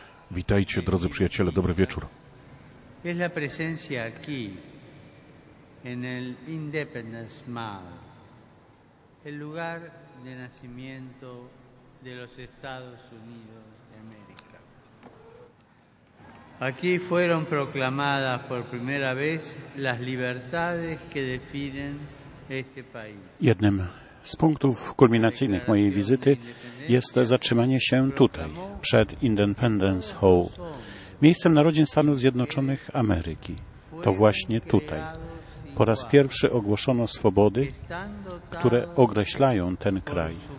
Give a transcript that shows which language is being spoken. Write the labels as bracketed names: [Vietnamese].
[Polish] Witajcie, drodzy przyjaciele, dobry wieczór. [Spanish] Es la presencia aquí en el Independence Mall, el lugar de nacimiento de los Estados Unidos de América. Aquí fueron proclamadas por primera vez las libertades que definen este país. [Polish] Jednym z punktów kulminacyjnych mojej wizyty jest zatrzymanie się tutaj, przed Independence Hall, miejscem narodzin Stanów Zjednoczonych Ameryki. To właśnie tutaj po raz pierwszy ogłoszono swobody, które określają ten kraj.